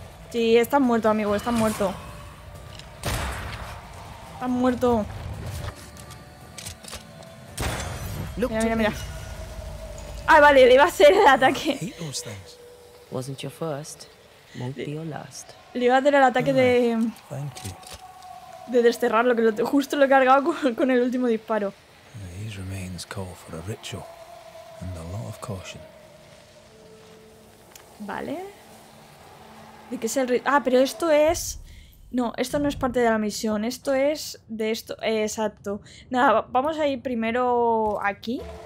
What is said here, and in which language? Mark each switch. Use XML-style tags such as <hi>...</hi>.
<es>Sí, estás muerto, amigo, estás muerto. Estás muerto. Mira. Ah, vale, le iba a hacer el ataque.</es> <en>Wasn't your first, won't be your last.</en> <es>Le iba a hacer el ataque de...</es> <en>Thank you.</en> <es>De desterrarlo, que justo lo he cargado con el último disparo.</es> <en>These remains call for a ritual and a lot of caution.</en> <es>Vale. De que es el ritual. Ah, pero esto es... No, esto no es parte de la misión. Esto es de esto. Exacto. Nada, vamos a ir primero aquí.</es>